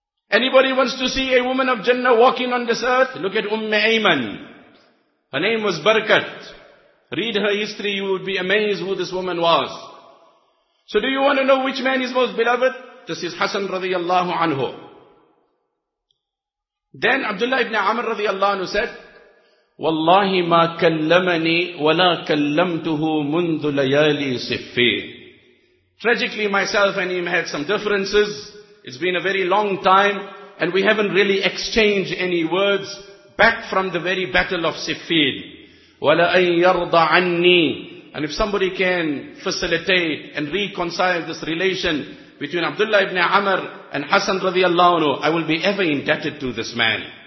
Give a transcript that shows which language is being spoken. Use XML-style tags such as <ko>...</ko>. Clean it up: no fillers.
<en>Anybody wants to see a woman of Jannah walking on this earth? Look at Umm Ayman. Her name was Barakat. Read her history, you would be amazed who this woman was. So do you want to know which man is most beloved? This is Hassan radiallahu anhu. Then Abdullah ibn Amr radiallahu anhu said,</en> <ar>وَاللَّهِ مَا كَلَّمَنِي وَلَا كَلَّمْتُهُ مُنْذُ لَيَالِي صِفِّي.</ar> <en>Tragically, myself and him had some differences. It's been a very long time and we haven't really exchanged any words back from the very battle of Siffin.</en> <ar>وَلَأَنْ يَرْضَ عَنِّي.</ar> <en>And if somebody can facilitate and reconcile this relation between Abdullah ibn Amr and Hassan radiallahu anhu, I will be ever indebted to this man.</en>